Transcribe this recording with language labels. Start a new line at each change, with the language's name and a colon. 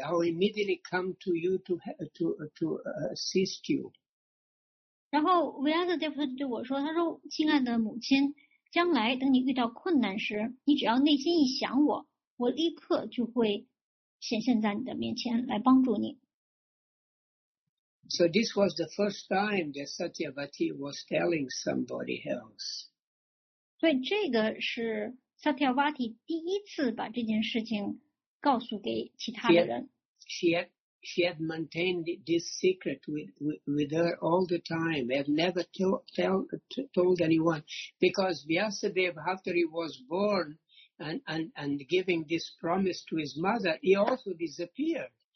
English: I will immediately come to you to assist you.
Chinese: 然后维亚斯大夫对我说，他说，亲爱的母亲，将来等你遇到困难时，你只要内心一想我，我立刻就会。显现在你的面前来帮助你。
English: So this was the first time that Satyavati was telling somebody else.
Chinese: 所以这个是 Satyavati 第一次把这件事情告诉给其他的人。
English: She had maintained this secret with her all the time, had never told anyone, because Vyasadeva, after he was born,And giving this promise to his mother, he also disappeared.